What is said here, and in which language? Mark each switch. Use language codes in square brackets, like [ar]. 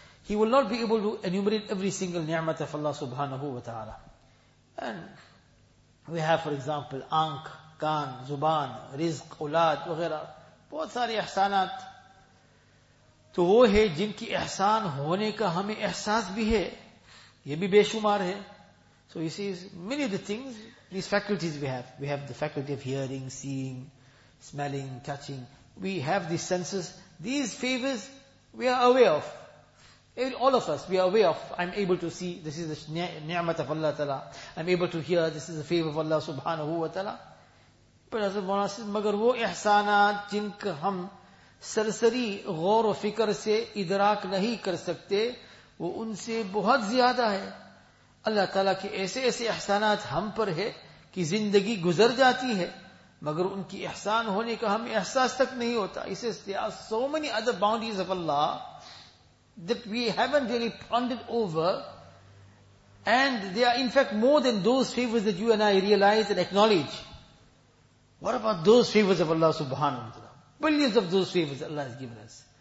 [en] He will not be able to enumerate every single ni'mat of Allah subhanahu wa ta'ala. And we have, for example, [ur] ankh, kaan, zuban, rizq, ulad, وغیرہ, بہت ساری احسانات. تو وہ ہے جن کی احسان ہونے کا ہمیں احساس بھی ہے, یہ بھی بے شمار ہے. [en] So you see, many of the things, these faculties we have. We have the faculty of hearing, seeing, smelling, touching. We have these senses. These favors, we are aware of. All of us, we are aware of. I'm able to see, this is the ni'mat of Allah Ta'ala. I'm able to hear, this is the favor of Allah Subhanahu Wa Ta'ala. But as the Mawlana says, [ur] مگر وہ احسانات جن کا ہم سرسری غور و فکر سے ادراک نہیں کر سکتے, وہ ان سے بہت زیادہ ہے. اللہ تعالیٰ کے ایسے ایسے احسانات ہم پر ہے کہ زندگی گزر جاتی ہے مگر ان کی احسان ہونے کا ہمیں احساس تک نہیں ہوتا. [en] اسے so many other boundaries of Allah that we haven't really pondered over, and they are in fact more than those favors that you and I realize and acknowledge. What about those favors of Allah subhanahu wa ta'ala? Billions of those favors that Allah has given us.